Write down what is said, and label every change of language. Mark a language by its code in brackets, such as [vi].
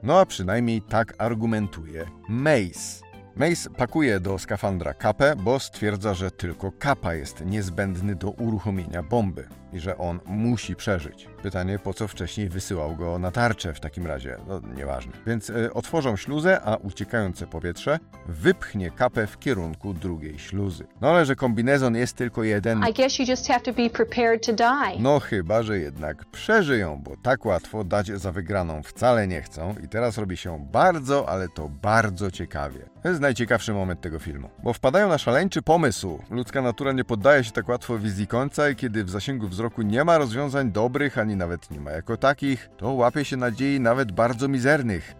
[pl] No a przynajmniej tak argumentuje Mace. Mace pakuje do skafandra Kappę, bo stwierdza, że tylko Kappa jest niezbędny do uruchomienia bomby i że on musi przeżyć. Pytanie, po co wcześniej wysyłał go na tarczę w takim razie? No, nieważne. Więc otworzą śluzę, a uciekające powietrze wypchnie Kappę w kierunku drugiej śluzy. No ale że kombinezon jest tylko jeden... [en] I guess you just have to be prepared to die. [pl] No chyba, że jednak przeżyją, bo tak łatwo dać za wygraną wcale nie chcą i teraz robi się bardzo, ale to bardzo ciekawie. To jest najciekawszy moment tego filmu. Bo wpadają na szaleńczy pomysł. Ludzka natura nie poddaje się tak łatwo wizji końca i kiedy w zasięgu wzroku nie ma rozwiązań dobrych, ani nawet nie ma jako takich, to łapie się nadziei nawet bardzo mizernych.